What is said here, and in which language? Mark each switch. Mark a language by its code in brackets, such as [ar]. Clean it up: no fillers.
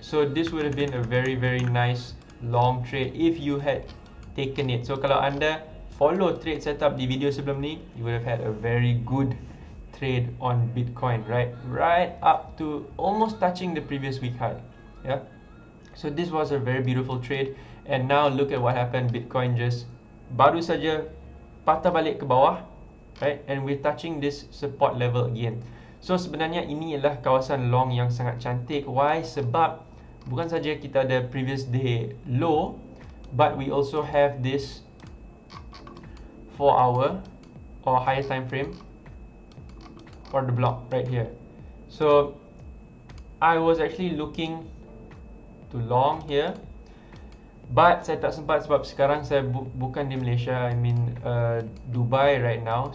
[en] So this would have been a very very nice long trade if you had taken it. So [ms] kalau anda follow trade setup di video sebelum ni, [en] you would have had a very good trade on Bitcoin, right? Right up to almost touching the previous week high, yeah? So this was a very beautiful trade. And now look at what happened. [ms] Bitcoin just baru saja patah balik ke bawah, right? [en] And we're touching this support level again. [ms] So sebenarnya ini ialah kawasan long yang sangat cantik. [en] Why? [ms] Sebab bukan saja kita ada [en] previous day low, but we also have this 4 hour or higher time frame for the block right here. So I was actually looking to long here, but [ms] saya tak sempat sebab sekarang saya bukan di Malaysia, [en] I mean Dubai right now.